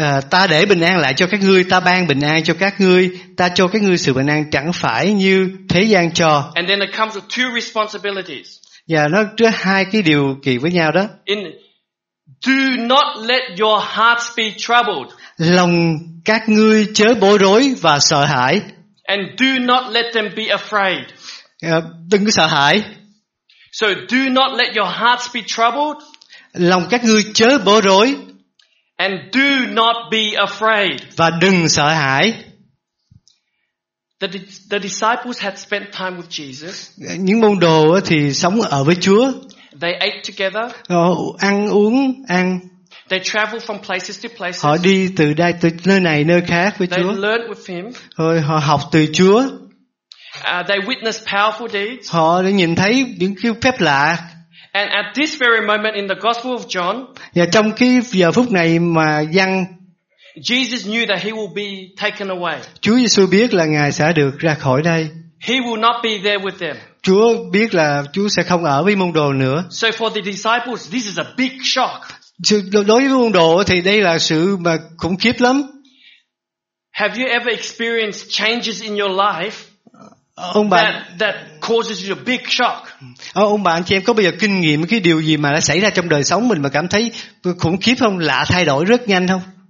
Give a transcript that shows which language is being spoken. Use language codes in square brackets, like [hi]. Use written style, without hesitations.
[vi] Ta để bình an lại cho các ngươi, ta ban bình an cho các ngươi, ta cho các ngươi sự bình an chẳng phải như thế gian cho. [en] And then it comes with two responsibilities. [vi] Và nó có hai cái điều kiện với nhau đó. [en] In, do not let your hearts be troubled. [vi] Lòng các ngươi chớ bối rối và sợ hãi. [en] And do not let them be afraid. [vi] Đừng có sợ hãi. [en] So do not let your hearts be troubled. [vi] Lòng các ngươi chớ bối rối. [en] And do not be afraid. [vi] Và đừng sợ hãi. [en] The disciples had spent time with Jesus. [vi] Những môn đồ thì sống ở với Chúa. [en] They ate together. [vi] Ăn uống. [en] They traveled from places to places. [vi] Họ đi từ đây từ nơi này nơi khác với Chúa. [en] They learned with him. [vi] Rồi họ học từ Chúa. [en] They witnessed powerful deeds. [vi] Họ đã nhìn thấy những cái phép lạ. [en] And at this very moment in the Gospel of John. [vi] Và trong cái giờ phút này mà văn. [en] Jesus knew that he will be taken away. [vi] Chúa Giêsu biết là Ngài sẽ được ra khỏi đây. [en] He will not be there with them. [vi] Chúa biết là Chúa sẽ không ở với môn đồ nữa. [en] So for the disciples, this is a big shock. [vi] Đối với môn đồ thì đây là sự mà khủng khiếp lắm. [en] Have you ever experienced changes in your life that causes you a big shock? [vi] Ông bạn chị em có bao giờ kinh nghiệm cái điều gì mà đã xảy ra trong đời sống mình mà cảm thấy khủng khiếp không? Lạ thay đổi rất nhanh không?